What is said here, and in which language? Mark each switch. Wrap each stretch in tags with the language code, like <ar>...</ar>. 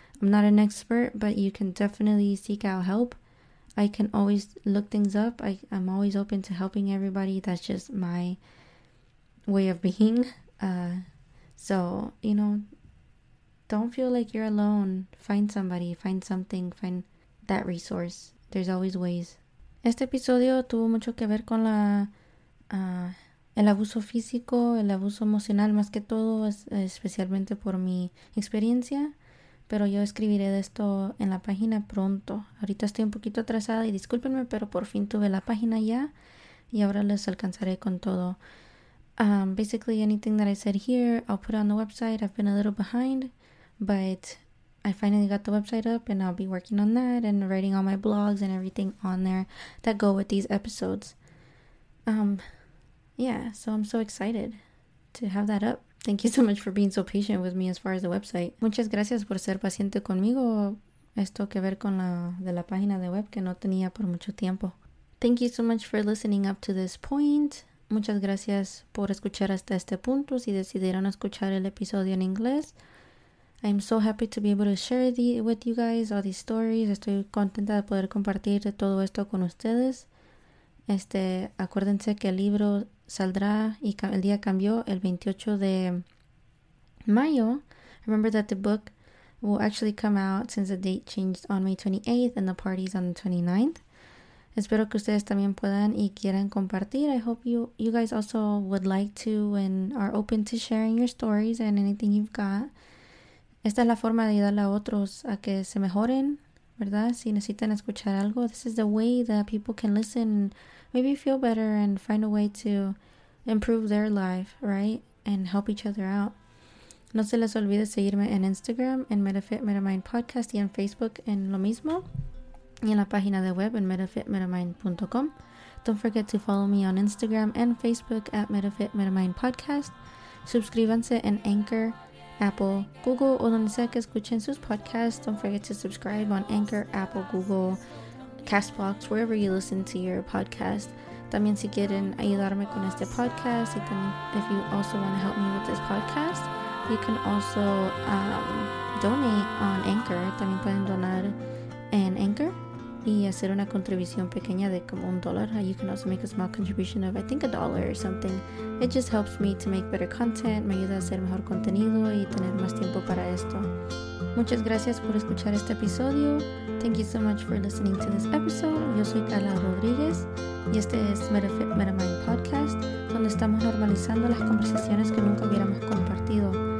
<en>I'm not an expert, but you can definitely seek out help. I can always look things up. I'm always open to helping everybody. That's just my way of being. So, you know, don't feel like you're alone. Find somebody, find something, find that resource. There's always ways.</en> <es>Este episodio tuvo mucho que ver con el abuso físico, el abuso emocional, más que todo, especialmente por mi experiencia. Pero yo escribiré de esto en la página pronto. Ahorita estoy un poquito atrasada y discúlpenme, pero por fin tuve la página ya. Y ahora les alcanzaré con todo.</es> <en>Basically, anything that I said here, I'll put on the website. I've been a little behind, but I finally got the website up, and I'll be working on that and writing all my blogs and everything on there that go with these episodes. Yeah, so I'm so excited to have that up. Thank you so much for being so patient with me as far as the website.</en> <es>Muchas gracias por ser paciente conmigo. Esto que ver con la de la página de web que no tenía por mucho tiempo.</es> <en>Thank you so much for listening up to this point.</en> <es>Muchas gracias por escuchar hasta este punto. Si decidieron escuchar el episodio en inglés,</es> <en>I'm so happy to be able to share with you guys all these stories.</en> <es>Estoy contenta de poder compartir todo esto con ustedes. Acuérdense que el libro saldrá y el día cambió el 28 de mayo.</es> <en>Remember that the book will actually come out since the date changed on May 28th and the party's on the 29th.</en> <es>Espero que ustedes también puedan y quieran compartir.</es> <en>I hope you guys also would like to and are open to sharing your stories and anything you've got.</en> <es>Esta es la forma de ayudar a otros a que se mejoren, ¿verdad? Si necesitan escuchar algo,</es> <en>this is the way that people can listen, maybe feel better and find a way to improve their life, right? And help each other out.</en> <es>No se les olvide seguirme en Instagram, en MetaFit MetaMind Podcast y en Facebook en lo mismo. Y en la página de web en metafitmetamind.com.</es> <en>Don't forget to follow me on Instagram and Facebook at MetaFit MetaMind Podcast.</en> <es>Suscríbanse en Anchor, Apple, Google, o donde sea que escuchen sus podcasts.</es> <en>Don't forget to subscribe on Anchor, Apple, Google, CastBox, wherever you listen to your podcast.</en> <es>También si quieren ayudarme con este podcast, y también</es> <en>if you also want to help me with this podcast, you can also donate on Anchor.</en> <es>También pueden donar en Anchor y hacer una contribución pequeña de como $1.</es> <en>You can also make a small contribution of, I think, $1 or something. It just helps me to make better content,</en> <es>me ayuda a hacer mejor contenido y tener más tiempo para esto. Muchas gracias por escuchar este episodio.</es> <en>Thank you so much for listening to this episode.</en> <es>Yo soy Carla Rodríguez y este es MetaFit MetaMind Podcast, donde estamos normalizando las conversaciones que nunca hubiéramos compartido.</es>